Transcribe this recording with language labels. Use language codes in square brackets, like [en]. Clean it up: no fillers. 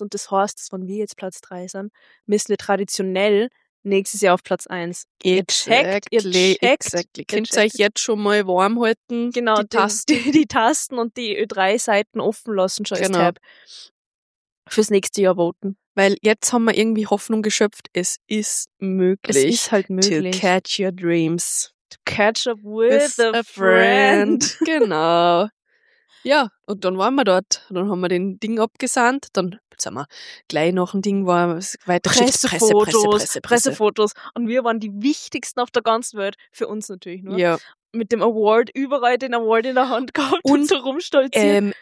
[de] Und das heißt, dass wenn wir jetzt Platz 3 sind, müssen wir traditionell nächstes Jahr auf Platz 1. Ihr checkt. Könnt ihr euch jetzt schon mal warm halten? Genau, die Tasten und die Ö3-Seiten offen lassen schon als Tab. Fürs nächste Jahr voten. Weil jetzt haben wir irgendwie Hoffnung geschöpft. Es ist möglich. Es ist halt möglich. [en] To catch your dreams. To catch up with a friend. [de] Genau. Ja, und dann waren wir dort. Dann haben wir den Ding abgesandt. Dann sind wir gleich noch ein Ding, war weiter Pressefotos. Und wir waren die wichtigsten auf der ganzen Welt. Für uns natürlich nur. Ja. Mit dem Award, überall den Award in der Hand gehabt und so rumstolziert.